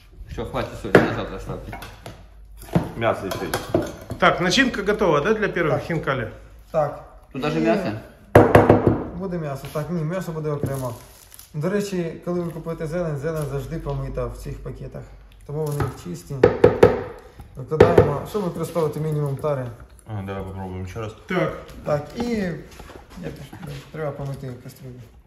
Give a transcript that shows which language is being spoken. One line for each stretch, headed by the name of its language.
Russian: Все, хватит солі, на завтра оставьте. Мясо еще есть. Так, начинка готова, да, для первого хинкали? Так. Туда же мясо?
Ukrainian: Буде м'ясо, так, ні, м'ясо буде окремо. До речі, коли ви купуєте зелень, зелень завжди помита в цих пакетах. Тому вони чисті. Викладаємо, щоб використовувати мінімум тари.
Russian: А, давай попробуем еще раз. Так. Так, и я пишу, треба помыть кастрюлю.